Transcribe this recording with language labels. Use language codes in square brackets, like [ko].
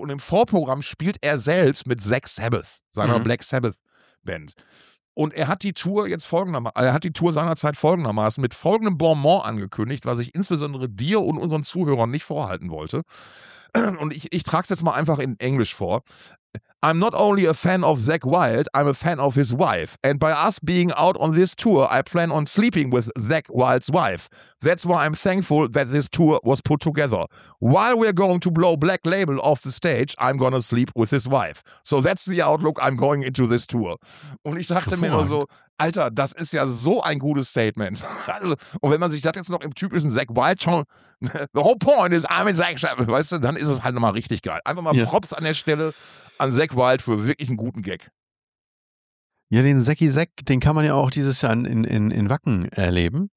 [de] Und im Vorprogramm spielt er selbst mit Zakk Sabbath, seiner Black Sabbath-Band. Und er hat die Tour seinerzeit folgendermaßen mit folgendem Bonbon angekündigt, was ich insbesondere dir und unseren Zuhörern nicht vorhalten wollte. Und ich trage es jetzt mal einfach in Englisch vor. [en] I'm not only a fan of Zakk Wylde, I'm a fan of his wife. And by us being out on this tour, I plan on sleeping with Zakk Wylde's wife. That's why I'm thankful that this tour was put together. While we're going to blow Black Label off the stage, I'm gonna sleep with his wife. So that's the outlook I'm going into this tour. [de] Und ich dachte mir nur so, Alter, das ist ja so ein gutes Statement. Also, und wenn man sich das jetzt noch im typischen Zach Wild-Ton, [en] the whole point is I'm a Zach, [de] weißt du, dann ist es halt nochmal richtig geil. Einfach mal Props an der Stelle an Zach Wild für wirklich einen guten Gag. Ja, den Zacki Zack, den kann man ja auch dieses Jahr in Wacken erleben.